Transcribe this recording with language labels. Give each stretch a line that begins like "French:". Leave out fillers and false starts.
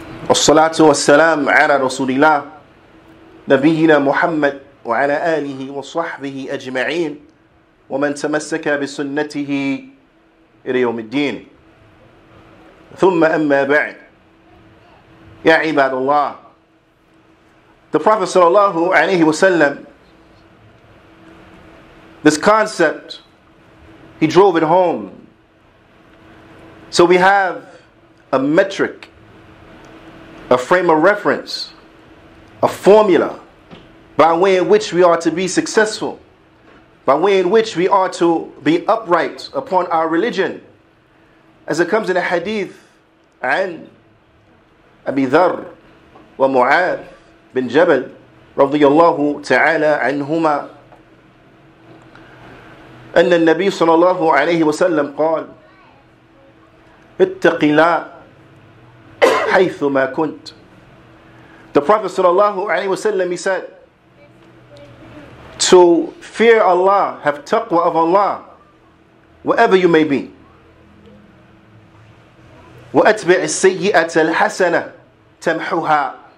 Arabic: الصلاة والسلام على رسول الله نبينا محمد وعلى آله وصحبه أجمعين ومن تمسك بسنته إلى يوم الدين ثم أما بعد يا عباد الله.
English: The Prophet
Arabic: صلى الله عليه وسلم,
English: this concept, he drove it home. So we have a metric, a frame of reference, a formula by way in which we are to be successful, by way in which we are to be upright upon our religion. As it comes in a hadith,
Arabic: عن أبي ذر ومعاذ بن جبل رضي الله تعالى عنهما أن النبي صلى الله عليه وسلم قال اتق الله حيثما كنت.
English: The Prophet
Arabic: صلى الله عليه وسلم,
English: he said, to fear Allah, have taqwa of Allah, wherever you may be.
Arabic: وَأَتْبِعِ السَّيِّئَةَ الْحَسَنَةَ تَمْحُهَا.